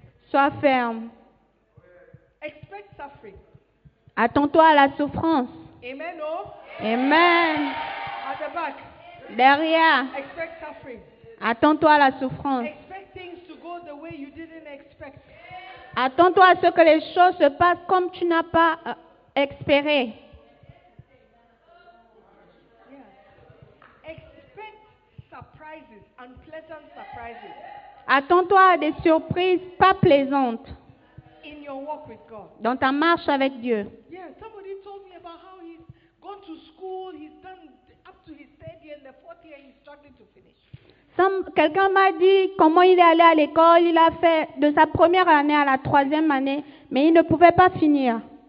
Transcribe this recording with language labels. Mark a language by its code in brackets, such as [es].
[fr] Sois ferme. [en] Expect suffering. [fr] Attends-toi à la souffrance. Amen. Oh. Amen. [en] At the back. [fr] Derrière. [en] Expect suffering. [fr] Attends-toi à la souffrance. [en] Expect things to go the way you didn't expect. [fr] Attends-toi à ce que les choses se passent comme tu n'as pas espéré. [en] Yeah. Expect surprises, unpleasant surprises. [fr] Attends-toi à des surprises pas plaisantes. [en] In your walk with God. [fr] Dans ta marche avec Dieu. [en] Yeah, somebody told me about how he's gone to school, he's done up to his third year, and the fourth year he's struggling to finish. [fr] Quelqu'un m'a dit comment il est allé à l'école, il a fait de sa première année à la troisième année, mais il ne pouvait pas finir.